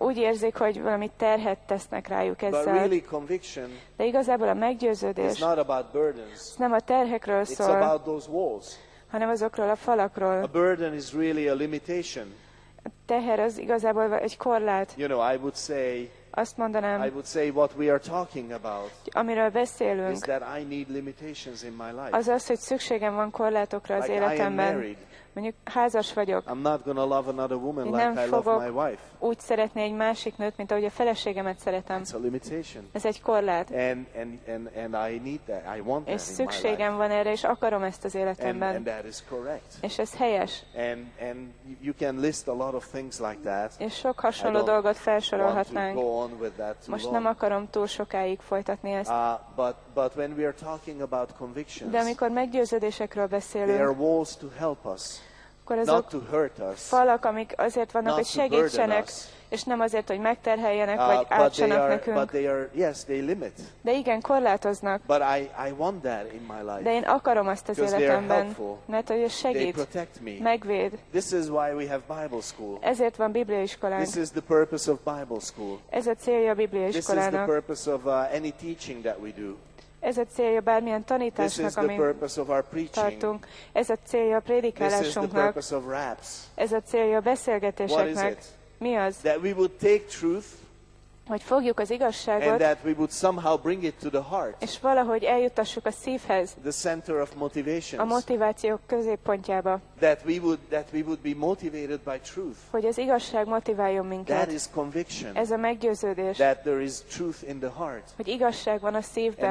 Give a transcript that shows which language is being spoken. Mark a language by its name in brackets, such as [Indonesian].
[Hungarian] Úgy érzik, hogy valami terhet tesznek rájuk ezzel. [English] But really, conviction, [Hungarian] de igazából a meggyőződés, [English] is not about burdens, [Hungarian] nem a terhekről szól, [English] it's about those walls, [Hungarian] hanem azokról a falakról. [English] A burden is really a limitation. [Hungarian] A teher az igazából egy korlát. [English] You know, I would say, [Hungarian] azt mondanám, [English] I would say what we are talking about, [Hungarian] amiről beszélünk, [English] is that I need limitations in my life. [Hungarian] Az az, hogy szükségem van korlátokra az életemben. Mondjuk házas vagyok. [English] I'm not gonna love another woman like I love my wife. [Hungarian] Úgy szeretni egy másik nőt, mint ahogy a feleségemet szeretem. [English] It's a limitation. [Hungarian] Ez egy korlát. [English] And I need that. I want that in my life. [Hungarian] És szükségem van erre, és akarom ezt az életemben. [English] And that is correct. [Hungarian] És ez helyes. [English] And you can list a lot of things like that. [Hungarian] És sok hasonló dolgot felsorolhatnánk. [English] I don't want to go on with that too long. [Hungarian] Most nem akarom túl sokáig folytatni ezt. [English] But when we are talking about convictions, [Hungarian] de amikor meggyőződésekről beszélünk, [English] there are walls to help us. Not to hurt us, [Hungarian] falak, amik azért vannak, hogy segítsenek, és nem azért, hogy megterheljenek, vagy átsanak nekünk. [English] But they are, yes, they limit. [Hungarian] De igen, korlátoznak. [English] But I want that in my life. [Hungarian] De én akarom azt az életemben, mert hogy segít, [English] they protect me. [Hungarian] Megvéd. [English] This is why we have Bible school. [Hungarian] Ezért van bibliaiskolánk. [English] This is the purpose of Bible school. [Hungarian] Ez a célja a bibliaiskolának. [English] This is the purpose of any teaching that we do. [Hungarian] Ez a célja bármilyen tanításnak, amit tartunk. Ez a célja a prédikálásunknak. Ez a célja a beszélgetéseknek. Mi az? [English] That we would take truth, [Hungarian] hogy fogjuk az igazságot, [English] and that we would somehow bring it to the heart, [Hungarian] és valahogy eljutassuk a szívhez, [English] the center of motivations, [Hungarian] a motivációk középpontjába, [English] that we would be motivated by truth, [Hungarian] hogy az igazság motiváljon minket. [English] That is conviction, [Hungarian] ez a meggyőződés, [English] that there is truth in the heart, [Hungarian] hogy igazság van a szívben,